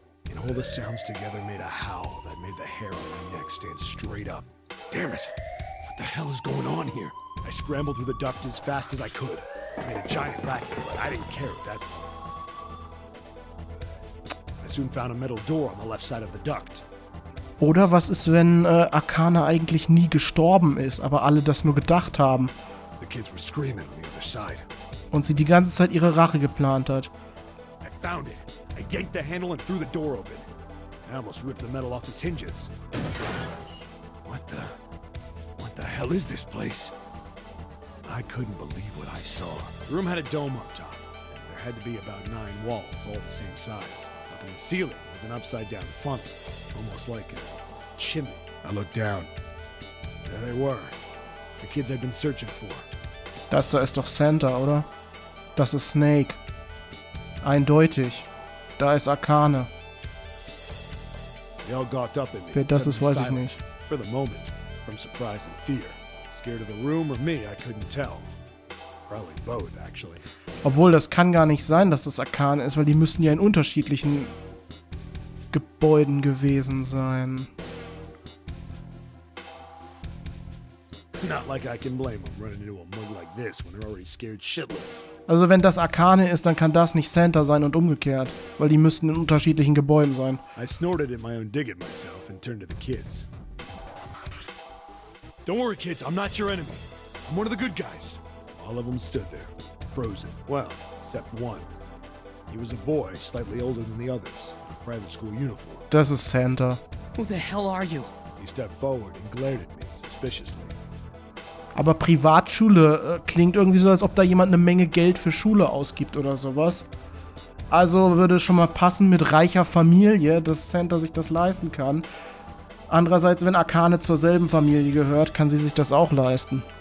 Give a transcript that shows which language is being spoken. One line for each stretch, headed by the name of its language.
English: And all the sounds together made a howl that made the hair on my neck stand straight up. Damn it! What the hell is going on here? I scrambled through the duct as fast as I could. I made a giant racket, but I didn't care at that point. I soon found a metal door on the left side of the duct.
German: Oder was ist, wenn Akane eigentlich nie gestorben ist, aber alle das nur gedacht haben?
English: The kids were screaming on the other side.
German: Und sie die ganze Zeit ihre Rache geplant hat.
English: I found it. I yanked the handle and threw the door open. I almost ripped the metal off its hinges. What the hell is this place? I couldn't believe what I saw. The room had a dome on top, and there had to be about 9 walls, all the same size. Up in the ceiling was an upside-down funnel, almost like a chimney. I looked down. There they were. The kids I'd been searching for.
German: Das da ist doch Santa, oder? Das ist Snake. Eindeutig. Da ist Arcane.
English: They all gawked up at me.
German: Okay, das ist, weiß ich nicht.
English: For the moment, from surprise and fear. Scared of the room or me, I couldn't tell. Probably both, actually.
German: Obwohl, das kann gar nicht sein, dass das Arcane ist, weil die müssen ja in unterschiedlichen Gebäuden gewesen sein.
English: Not like I can blame them running into a mug like this when they're already scared shitless.
German: Also wenn das Arcane ist, dann kann das nicht Santa sein und umgekehrt, weil die müssten in unterschiedlichen Gebäuden sein.
English: I snorted in my own digging myself and turned to the kids. Don't worry, kids, I'm not your enemy. I'm one of the good guys. All of them stood there, frozen. Well, except one. He was a boy, slightly older than the others, in a private school uniform.
German: Das ist Santa.
English: Who the hell are you? He stepped forward and glared at me suspiciously.
German: Aber Privatschule klingt irgendwie so, als ob da jemand eine Menge Geld für Schule ausgibt oder sowas. Also würde es schon mal passen mit reicher Familie, dass Santa sich das leisten kann. Andererseits, wenn Arcane zur selben Familie gehört, kann sie sich das auch leisten.